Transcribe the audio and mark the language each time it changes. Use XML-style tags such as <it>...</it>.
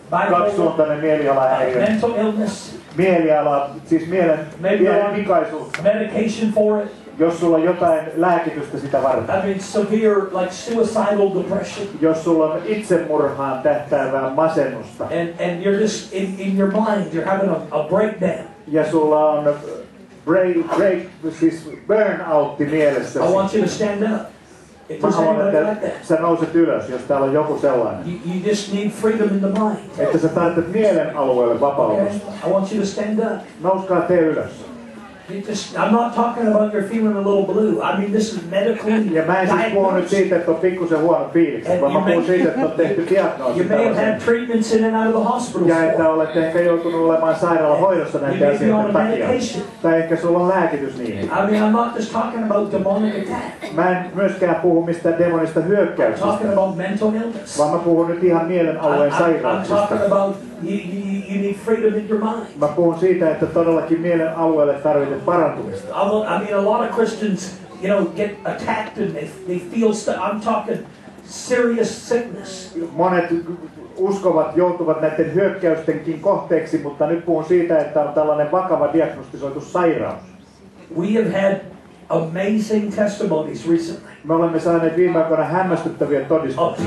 <fi>Kaksisuuntainen mielialahäiriö.</fi> <en>Mental illness.</en> <fi>Mieliala, siis mielen vikaisuus.</fi> <en>Medication for it.</en> <fi>Jos sulla on jotain lääkitystä sitä varten.</fi> <en>I mean severe, like suicidal depression.</en> <fi>Jos sulla on itsemurhaan tähtäävää masennusta.</fi> <en>And you're just in your mind, you're having a breakdown.</en> <fi>Ja sulla on break, siis burnoutti mielessä.</fi> <en>I want you to stand up.</en> <fi>Mä haluan, että sä nouset ylös, jos täällä on joku sellainen.</fi> <en>You just need freedom in the mind.</en> <fi>Että sä tarvitset mielen alueelle vapautusta.</fi> <en>I want you to stand up.</en> <fi>Nouskaa te ylös.</fi> <en>I'm not talking about you're feeling a little blue. I mean, this is medically.</en> <fi>Ja mä en siis puhu nyt siitä, että on pikkusen huono fiilis, vaan mä puhun siitä, että on tehty diagnoosi.</fi> <en>You may have had treatments in and out of the hospital.</en> <fi>Ja että olette ehkä joutunut olemaan sairaalahoidossa näitä asioita takia. Tai ehkä sulla on lääkitys niihin.</fi> <en>I mean, I'm not just talking about demonic attack.</en> <fi>Mä en myöskään puhu mistään demonista hyökkäyksestä.</fi> <en>I'm talking about mental illness.</en> <fi>Vaan mä puhun nyt ihan mielen alueen sairauksista.</fi> <en>I'm talking about you need freedom in your mind.</en> <fi>Mä puhun siitä, että todellakin mielen alueelle tarvitaan.</fi> <en>I mean, a lot of Christians, you know, get attacked and they feel stuff. I'm talking serious sickness.</en> <fi>Monet uskovat joutuvat näiden hyökkäystenkin kohteeksi, mutta nyt puhun siitä, että on tällainen vakava diagnostisoitu sairaus.</fi> <en>We have had amazing testimonies recently.</en> <fi>Me olemme saaneet viime aikoina hämmästyttäviä todistuksia.</fi>